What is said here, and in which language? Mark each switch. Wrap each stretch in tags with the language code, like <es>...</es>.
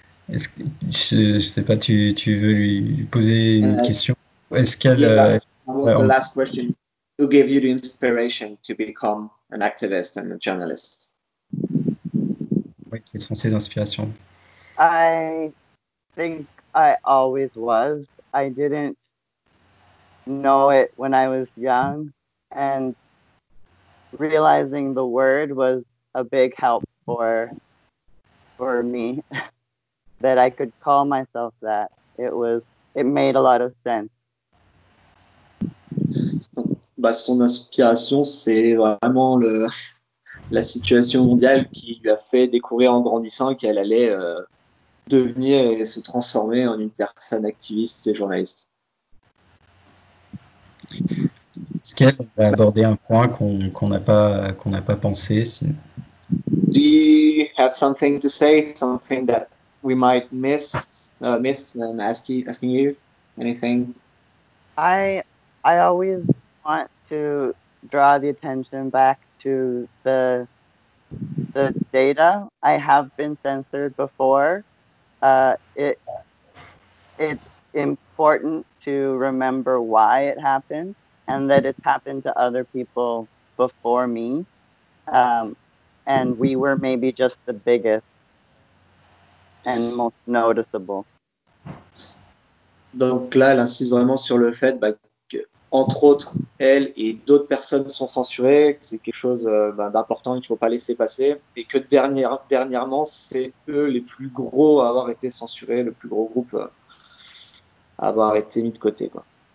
<fr>Est-ce que, je ne sais pas, tu veux lui poser une question? Est-ce qu'elle...</fr> <en>What was the last question? Who gave you the inspiration to become an activist and a journalist?</en> <fr>Oui, quelles sont ses inspirations?</fr> <en>I think I always was. I didn't know it when I was young. And realizing the word was a big help for me, that I could call myself that. It made a lot of sense.</en> <fr>Bah, son inspiration, c'est vraiment la situation mondiale qui lui a fait découvrir en grandissant qu'elle allait devenir et se transformer en une personne activiste et journaliste. Est-ce qu'elle a abordé un point qu'on n'a pas pensé?</fr> <en>Do you have something to say? Something that we might miss and asking you anything? I always want to draw the attention back to the data. I have been censored before. It's important to remember why it happened. And that it's happened to other people before me. And we were maybe just the biggest and most noticeable.</en> <fr>Donc là, elle insiste vraiment sur le fait qu'entre autres, elle et d'autres personnes sont censurées, que c'est quelque chose d'important qu'il ne faut pas laisser passer. Et que dernièrement, c'est eux les plus gros à avoir été censurés, le plus gros groupe à avoir été mis de côté, quoi.</fr>